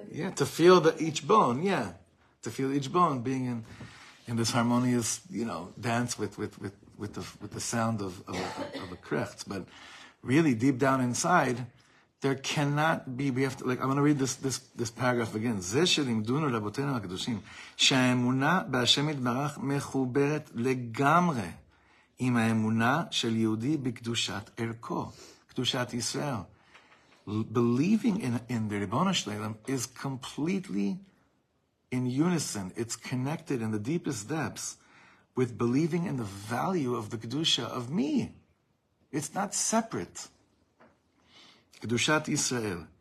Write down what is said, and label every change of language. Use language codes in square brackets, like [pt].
[en] to feel the each bone, yeah. To feel each bone being in this harmonious, you know, dance with the sound of a krecht. But really deep down inside, There cannot be, we have to, like, I'm going to read this paragraph again. [he] זה שלימדונו רבותינו הקדושים, שהאמונה בהשם יתברך מחוברת לגמרי עם האמונה של יהודי בקדושת ערכו, קדושת ישראל. [en] Believing in the Ribono Shleilam is completely in unison. It's connected in the deepest depths with believing in the value of the Kedusha of me. It's not separate. Kedushat Yisrael.